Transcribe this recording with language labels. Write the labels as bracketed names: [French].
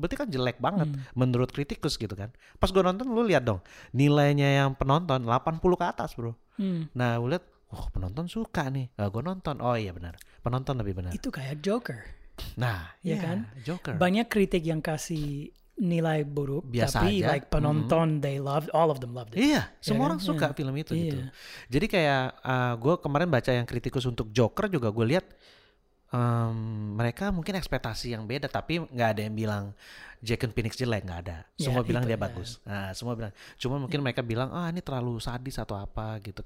[Indonesian] Berarti kan jelek banget menurut kritikus gitu kan? Pas gue nonton lu lihat dong nilainya yang penonton 80 ke atas bro. Nah gue lihat, wah oh, penonton suka nih. Gue nonton, oh iya benar, penonton lebih benar. Itu kayak Joker. Nah iya kan? Joker. Banyak kritik yang kasih nilai buruk, biasa tapi aja. [English] Like penonton they loved, all of them loved it. [Indonesian] Iya, yeah, semua orang suka film itu gitu. Jadi kayak gue kemarin baca yang kritikus untuk Joker juga gue lihat mereka mungkin ekspektasi yang beda, tapi nggak ada yang bilang Joaquin Phoenix jelek, nggak ada. Semua bilang itu, dia bagus. Nah, semua bilang. Cuma mungkin mereka bilang ah ini terlalu sadis atau apa gitu.